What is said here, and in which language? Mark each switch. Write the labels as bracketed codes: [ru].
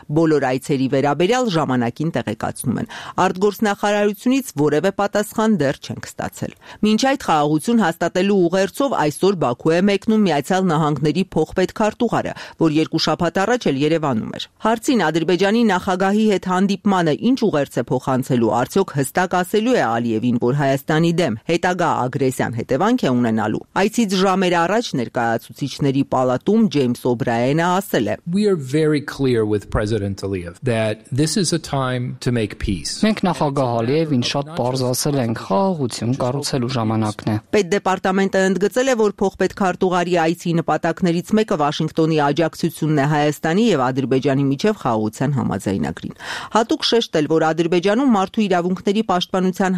[hy] բոլոր այցերի վերաբերյալ ժամանակին տեղեկացնում են։ Արտգործնախարարությունից որևէ պատասխան դեռ չենք ստացել։ Մինչ այդ խաղաղություն հաստատելու ուղերձով այսօր Բաքու է մեկնում Միացյալ Նահանգների փոխպետքարտուղարը, որ 2 շաբաթ առաջ էլ Երևանում էր։ Հարցին Ադրբեջանի նախագահի հետ հանդիպմանը ինչ ուղերձ է փոխանցելու, արդյոք հստակ ասելու է Ալիևին, որ Հայաստանի դեմ հետագա ագրեսիան հետևանք է ունենալու։ Այցից ժամեր առաջ ներկայացուցիչների պալատում Ջեյմս Օ'Բրայենը ասել է. [en] We are very clear with President Aliyev that this is a time to make peace. [hy] Մենք նախագահ Ալիևին շատ պարզ ասել ենք, խաղաղություն կառուցելու ժամանակն է։ Պետդեպարտամենտը ընդգծել է, որ փոխպետքարտուղարի այցի նպատակներից մեկը Վաշինգտոնի աջակցությունն է Հայաստանի եւ Ադրբեջանի միջև խաղաղության համաձայնագրին։ Հատուկ շեշտել, որ Ադրբեջանում մարդու իրավունքների պաշտպանության